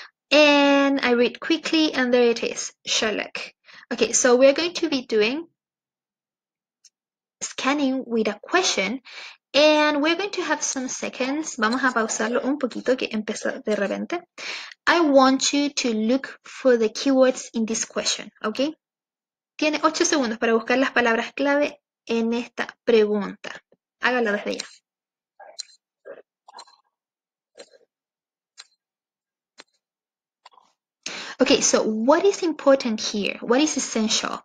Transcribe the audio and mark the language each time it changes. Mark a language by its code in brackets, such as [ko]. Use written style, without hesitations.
[en] And I read quickly, and there it is, Sherlock. Okay, so we are going to be doing scanning with a question, and we're going to have some seconds. [es] Vamos a pausarlo un poquito que empezó de repente. [en] I want you to look for the keywords in this question, okay? [es] Tiene 8 segundos para buscar las palabras clave en esta pregunta. Hágalo desde ya. [en] Okay, so what is important here? What is essential?